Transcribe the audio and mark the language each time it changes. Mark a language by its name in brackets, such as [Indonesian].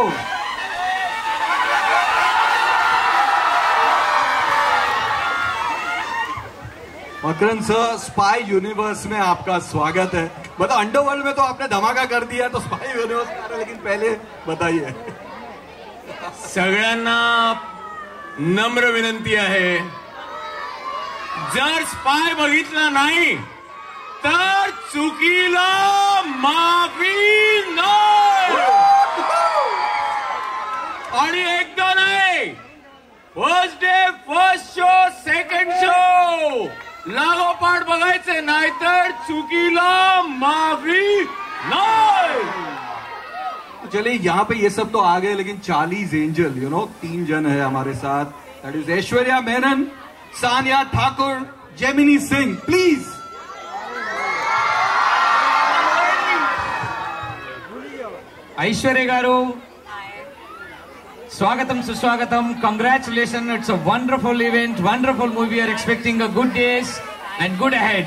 [Hindi] Makarand sir, spy universe में आपका स्वागत है। मतलब अंडरवर्ल्ड में तो आपने धमाका कर दिया, तो स्पाई यूनिवर्स में आ रहा है, लेकिन पहले बताइए। [Marathi] सगळ्यांना नम्र विनंती आहे, जर स्पाय बघितला नाही तर चुकीला माफी नाही, आणि एकदा नाही, [English] first day first show second show [Marathi] लागोपाठ बघायचे, नाहीतर चुकीला माफी नाही। [Hindi] चले यहाँ पे ये सब तो आ गए, लेकिन 40 एंजल [English] you know [Hindi] तीन जन है हमारे साथ, [English] that is [Hindi] Aishwarya Menon, Sania Thakur, Gemini Singh, please. [English] Aishwarya [Telugu] गारू स्वागतम, सुस्वागतम, [English] Congratulation, it's a wonderful event, wonderful movie, are expecting a good days and good ahead.